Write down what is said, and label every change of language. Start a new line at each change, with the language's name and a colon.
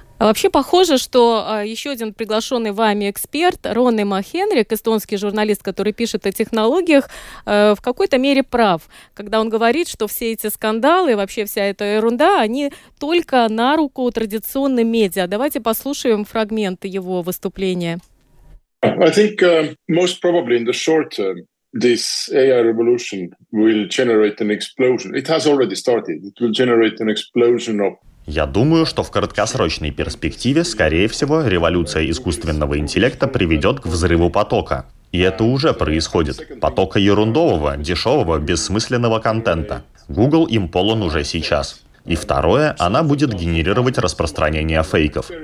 Russian: Вообще похоже, что еще один приглашенный вами эксперт, Ронни МакХенрик, эстонский журналист, который пишет о технологиях, в какой-то мере прав, когда он говорит, что все эти скандалы, вообще вся эта ерунда, они только на руку традиционным медиа. Давайте послушаем фрагмент его выступления.
English: I think most probably in the short term this AI revolution will generate an explosion. It has already started. It will generate an explosion of...
Russian: Я думаю, что в краткосрочной перспективе, скорее всего, революция искусственного интеллекта приведет к взрыву потока. И это уже происходит. Потока ерундового, дешевого, бессмысленного контента. Google им полон уже сейчас. И второе, она будет генерировать распространение фейков.